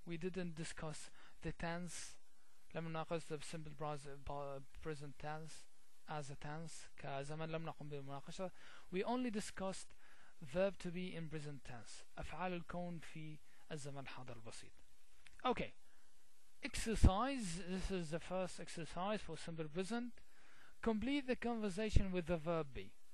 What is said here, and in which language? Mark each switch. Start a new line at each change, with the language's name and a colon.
English: We didn't discuss the tense.
Arabic: لم نناقش
English: the simple present tense as a tense.
Arabic: كزمن لم نقم بالمناقشة.
English: We only discussed verb to be in present tense.
Arabic: أفعال الكون في الزمن الحاضر البسيط.
English: Okay. Exercise. This is the first exercise for simple present. Complete the conversation with the verb be.